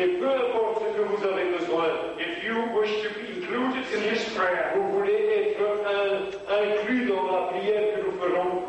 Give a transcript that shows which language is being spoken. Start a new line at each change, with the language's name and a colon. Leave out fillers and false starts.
French: et peu importe ce que vous avez besoin,
English: if you wish to be included in this prayer,
French: vous voulez être inclus dans la prière que nous ferons,